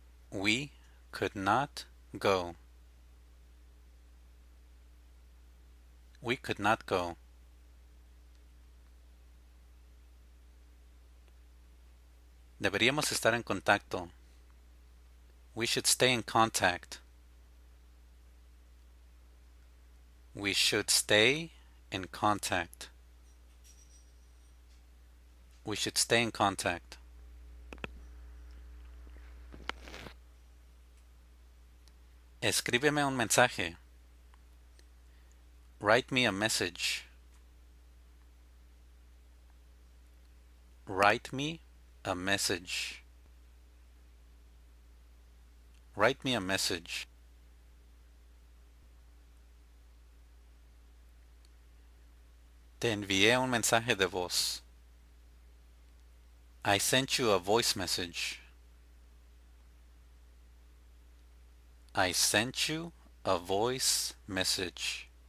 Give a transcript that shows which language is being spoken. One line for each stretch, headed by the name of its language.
English: We could not go. We could not go.
Spanish: Deberíamos estar en contacto.
English: We should stay in contact. We should stay in contact. We should stay in contact.
Spanish: Escríbeme un mensaje.
English: Write me a message. Write me a message. Write me a message.
Spanish: Te envié un mensaje de voz.
English: I sent you a voice message. I sent you a voice message.